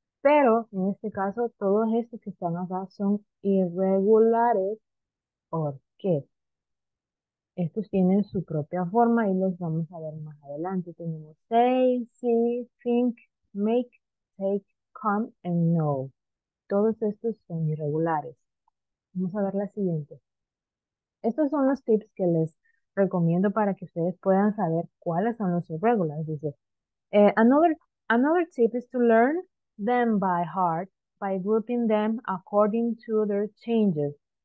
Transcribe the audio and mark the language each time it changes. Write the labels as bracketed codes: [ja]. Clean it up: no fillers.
[es] Pero en este caso, todos estos que están acá son irregulares. ¿Por qué? Estos tienen su propia forma y los vamos a ver más adelante. Tenemos say, see, think, make, take, come, and know. Todos estos son irregulares. Vamos a ver la siguiente. Estos son los tips que les recomiendo para que ustedes puedan saber cuáles son los irregulares. [en] Dice, another tip is to learn them by heart by grouping them according to their changes.